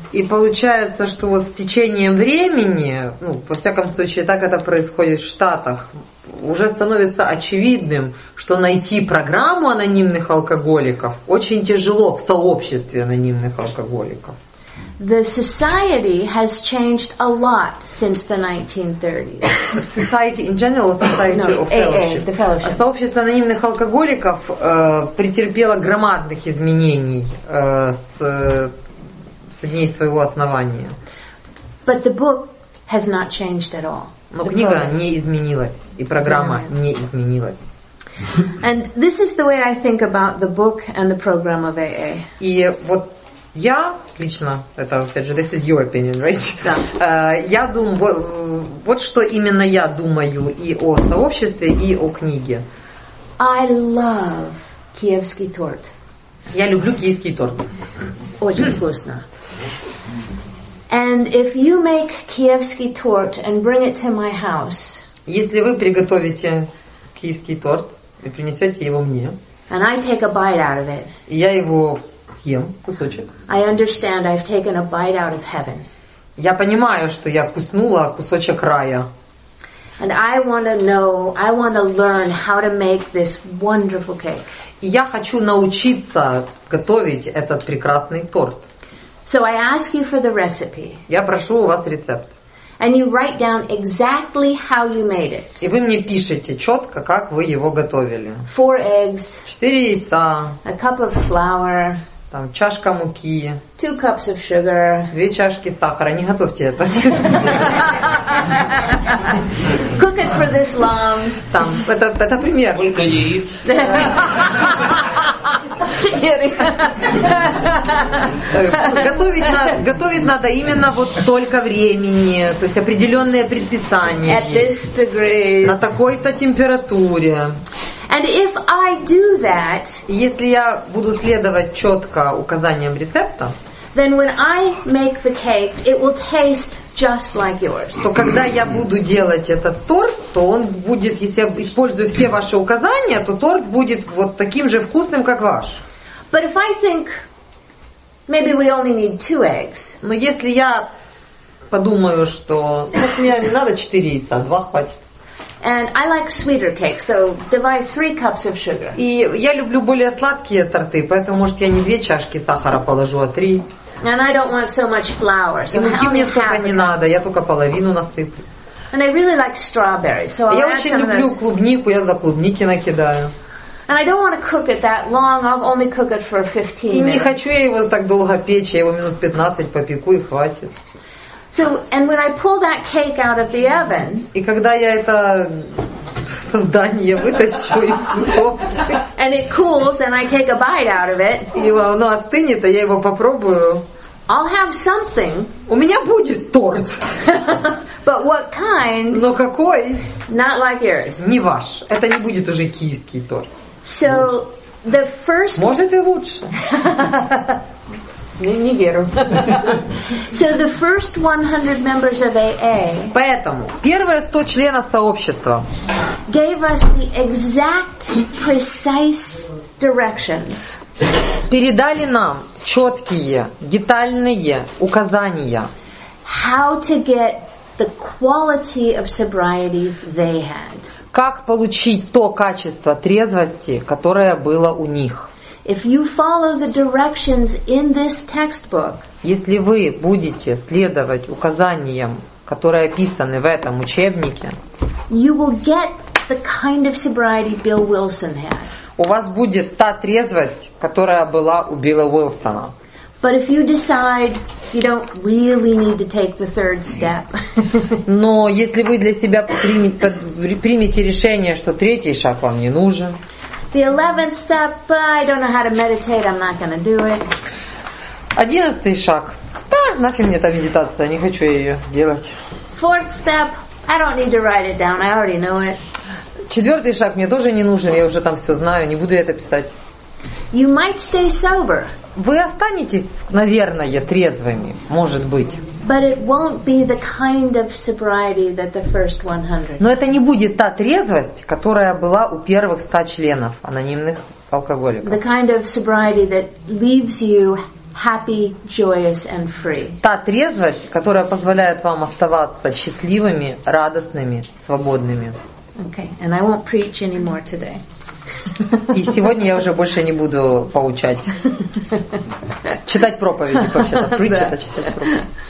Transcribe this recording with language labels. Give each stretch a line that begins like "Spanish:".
Russian: И получается, что вот с течением времени, ну, во всяком случае, так это происходит в Штатах, уже становится очевидным, что найти программу анонимных алкоголиков очень тяжело в сообществе анонимных алкоголиков.
English: The society has changed a lot since the 1930s. Society in general, society no, of fellowship. AA, the fellowship.
Russian: Сообщество анонимных алкоголиков претерпело громадных изменений с дней своего основания.
English: But the book has not changed at all.
Russian: Но книга не изменилась, и программа не изменилась.
English: And this is the way I think about the book and the program of AA.
Russian: И вот я лично, это, опять же,
English: this is your opinion, right?
Russian: Да. Я думаю, вот что именно я думаю и о сообществе, и о книге.
English: I love киевский торт.
Russian: Я люблю киевский торт. Очень вкусно.
English: And if you make киевский торт and bring it to my house,
Russian: если вы приготовите киевский торт и принесете его мне,
English: And I take a bite out of it.
Russian: Я его съем кусочек.
English: I understand I've taken a bite out of heaven.
Russian: Я понимаю, что я вкуснула кусочек рая.
English: And I want to know, I want to learn how to make this wonderful cake.
Russian: Я хочу научиться готовить этот прекрасный торт.
English: So I ask you for the recipe.
Russian: Я прошу у вас рецепт.
English: And you write down exactly how you made it.
Russian: И вы мне пишете четко, как вы его готовили.
English: 4 eggs.
Russian: 4 яйца.
English: A cup of flour.
Russian: Там чашка муки.
English: 2 cups of sugar.
Russian: 2 чашки сахара. Не готовьте это.
English: Cook it for this long.
Russian: Там это пример. Сколько яиц? 4. Готовить надо именно вот столько времени, то есть определенные предписания.
English: At this degree.
Russian: На такой-то температуре.
English: And if I do that,
Russian: если я буду следовать четко указаниям рецепта,
English: then when I make the cake, it will taste just like yours.
Russian: То когда я буду делать этот торт, то он будет, если я использую все ваши указания, то торт будет вот таким же вкусным, как ваш.
English: But if I think maybe we only need 2 eggs.
Russian: Но если я подумаю, что мне не надо 4 яйца, 2 хватит.
English: And I like sweeter cakes, so divide 3 cups of sugar.
Russian: И я люблю более сладкие торты, поэтому, может, я не 2 чашки сахара положу, а 3.
English: And I don't want so much flour. So
Russian: муки мне столько не надо, я только половину насыплю.
English: And I really like strawberries, so I'll add some of those.
Russian: Я очень люблю клубнику, я за клубники накидаю.
English: And I don't want to cook it that long. I'll only cook it for 15 minutes.
Russian: И не хочу я его так долго печь, я его минут 15 попеку и хватит.
English: So, and when I pull that cake out of the oven,
Russian: и когда я это создание вытащу из духовки,
English: and it cools, and I take a bite out of it,
Russian: и оно остынет, а я его попробую,
English: I'll have something.
Russian: У меня будет торт.
English: But what kind?
Russian: Но какой?
English: Not like yours.
Russian: Не ваш. Это не будет уже киевский торт.
English: So, the first.
Russian: Может и лучше. Не верю.
English: So the first 100 members of AA.
Russian: Поэтому первые 100 членов сообщества
English: gave us the exact precise directions.
Russian: Передали нам четкие, детальные указания.
English: How to get the quality of sobriety they had.
Russian: Как получить то качество трезвости, которое было у них.
English: If you follow the directions in this textbook,
Russian: если вы будете следовать указаниям, которые описаны в этом учебнике,
English: you will get the kind of sobriety Bill Wilson had.
Russian: У вас будет та трезвость, которая была у Билла Уилсона.
English: But if you decide you don't really need to take the third step,
Russian: но если вы для себя примете решение, что третий шаг вам не нужен.
English: The 11th step, I don't know how to meditate, I'm not going to do it.
Russian: 11th шаг. Да, нафиг мне та медитация, не хочу я ее делать.
English: 4th step, I don't need to write it down, I already know it.
Russian: 4th шаг мне тоже не нужен, я уже там все знаю, не буду я это писать.
English: You might stay sober.
Russian: Вы останетесь, наверное, трезвыми, может быть.
English: But it won't be the kind of sobriety that the first 100.
Russian: Но это не будет та трезвость, которая была у первых 100 членов анонимных алкоголиков.
English: The kind of sobriety that leaves you happy, joyous, and free.
Russian: Та трезвость, которая позволяет вам оставаться счастливыми, радостными, свободными.
English: Okay, and I won't preach anymore today.
Russian: И сегодня я уже больше не буду поучать. Читать проповеди вообще-то. Preach это читать проповеди.